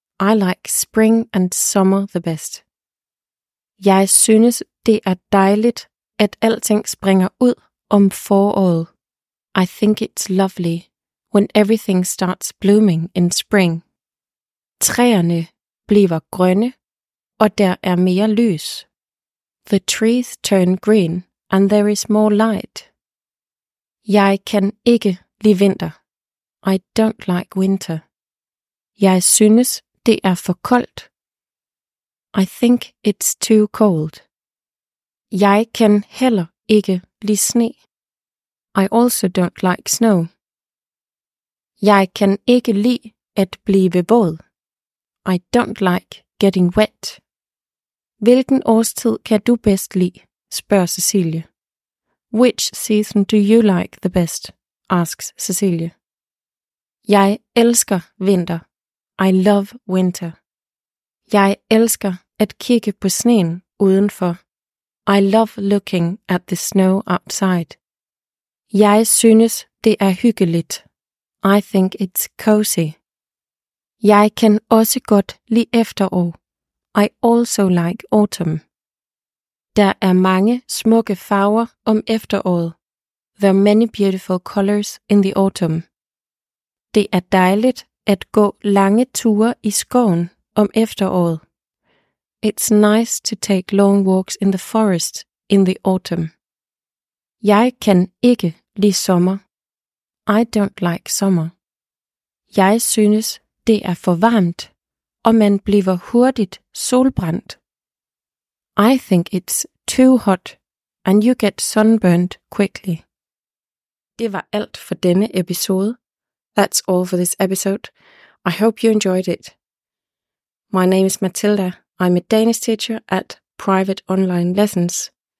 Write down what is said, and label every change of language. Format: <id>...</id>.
<en>I like spring and summer the best.</en> <da>Jeg synes, det er dejligt, at alting springer ud om foråret.</da> <en>I think it's lovely when everything starts blooming in spring.</en> <da>Træerne bliver grønne, og der er mere lys.</da> <en>The trees turn green and there is more light.</en> <da>Jeg kan ikke lide vinter.</da> <en>I don't like winter.</en> <da>Jeg synes, det er for koldt.</da> <en>I think it's too cold.</en> <da>Jeg kan heller ikke lide sne.</da> <en>I also don't like snow.</en> <da>Jeg kan ikke lide at blive våd.</da> <en>I don't like getting wet.</en> <da>Hvilken årstid kan du bedst lide? Spørger Cecilie.</da> <en>Which season do you like the best? Asks Cecilie.</en> <da>Jeg elsker vinter.</da> <en>I love winter.</en> <da>Jeg elsker at kigge på sneen udenfor.</da> <en>I love looking at the snow outside.</en> <da>Jeg synes, det er hyggeligt.</da> <en>I think it's cozy.</en> <da>Jeg kan også godt lide efterår.</da> <en>I also like autumn.</en> <da>Der er mange smukke farver om efteråret.</da> <en>There are many beautiful colors in the autumn.</en> <da>Det er dejligt at gå lange ture i skoven om efteråret.</da> <en>It's nice to take long walks in the forest in the autumn.</en> <da>Jeg kan ikke lide sommer.</da> <en>I don't like summer.</en> <da>Jeg synes, det er for varmt, og man bliver hurtigt solbrændt.</da> <en>I think it's too hot, and you get sunburned quickly.</en> <da>Det var alt for denne episode.</da> <en>That's all for this episode. I hope you enjoyed it. My name is Matilda. I'm a Danish teacher at Private Online Lessons.</en>